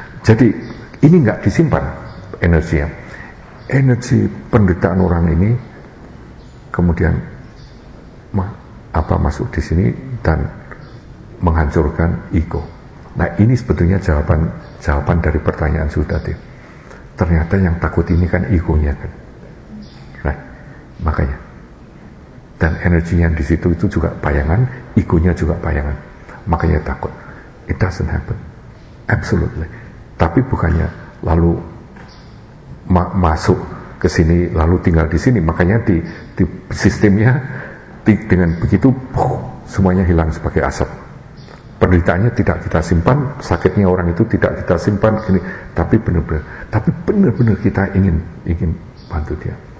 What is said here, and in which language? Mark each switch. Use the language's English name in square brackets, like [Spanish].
[Indonesian] Jadi ini nggak disimpan energinya, energi penderitaan orang ini kemudian apa masuk di sini dan menghancurkan ego. Nah ini sebetulnya jawaban dari pertanyaan tadi. Ternyata yang takut ini kan egonya kan, nah makanya. Dan energinya di situ itu juga bayangan, egonya juga bayangan, makanya takut. [English] It doesn't happen, absolutely. [Indonesian] Tapi bukannya lalu masuk ke sini lalu tinggal di sini. Makanya di sistemnya dengan begitu semuanya hilang sebagai asap. Penderitaannya tidak kita simpan, sakitnya orang itu tidak kita simpan, ini tapi benar-benar kita ingin bantu dia.